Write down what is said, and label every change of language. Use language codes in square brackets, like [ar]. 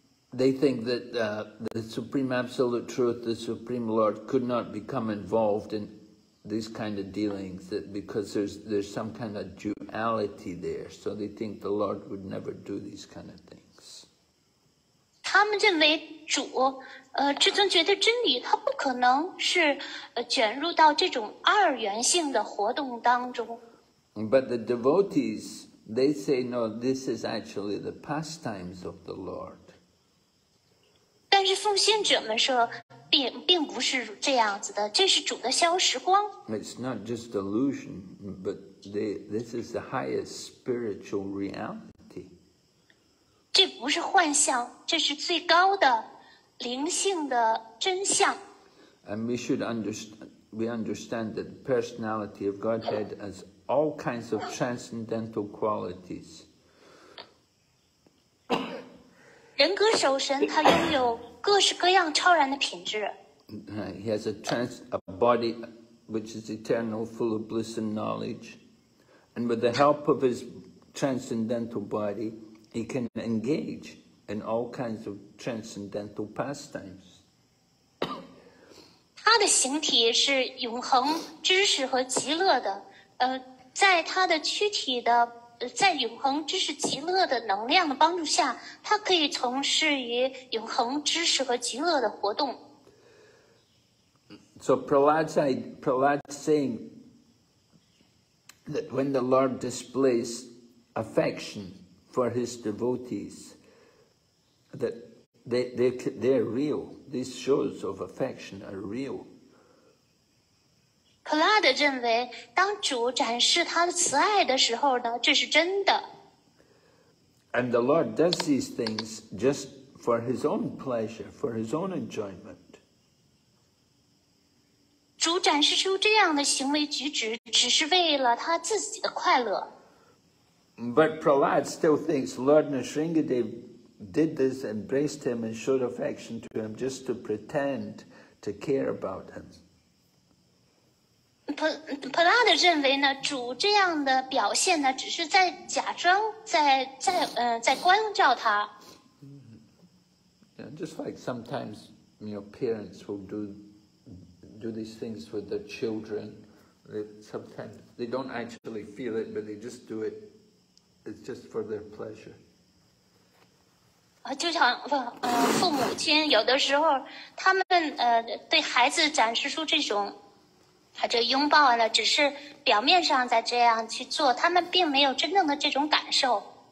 [en] They think that the Supreme Absolute Truth, the Supreme Lord, could not become involved in these kind of dealings, that because there's some kind of duality there, so they think the Lord would never do these kind of things. [zh] 他们认为主，至尊觉得真理，他不可能是卷入到这种二元性的活动当中。 [en] But the devotees, they say, no, this is actually the pastimes of the Lord. [zh] 但是奉献者们说，并不是这样子的，这是主的逍遥时光。 [en] It's not just illusion, but this is the highest spiritual reality. [zh] 这不是幻象，这是最高的灵性的真相。 [en] And we should understand that the personality of Godhead has all kinds of transcendental qualities. [zh] 人格守神，他拥有各式各样超然的品质。 [en] He has a body which is eternal, full of bliss and knowledge, and with the help of his transcendental body. He can engage in all kinds of transcendental pastimes. [zh] 他他的形体是永恒知识和极乐的，在他的躯体的在永恒知识极乐的能量的帮助下，他可以从事于永恒知识和极乐的活动。 [en] So Prahlad's saying that when the Lord displays affection for his devotees, that they're real. These shows of affection are real. [zh] Prahlad 认为，当主展示他的慈爱的时候呢，这是真的。 [en] And the Lord does these things just for his own pleasure, for his own enjoyment. [zh] 主展示出这样的行为举止，只是为了他自己的快乐。 [en] But Prahlad still thinks Lord Nrsingadev did this, embraced him, and showed affection to him just to pretend to care about him. [zh] Prahlad 认为呢，主这样的表现呢，只是在假装，在关照他。 [en] Yeah, just like sometimes your parents will do these things with their children. Sometimes they don't actually feel it, but they just do it. It's just for their pleasure. [zh] 就像父母亲有的时候，他们对孩子展示出这拥抱呢，只是表面上在这样去做，他们并没有真正的这种感受。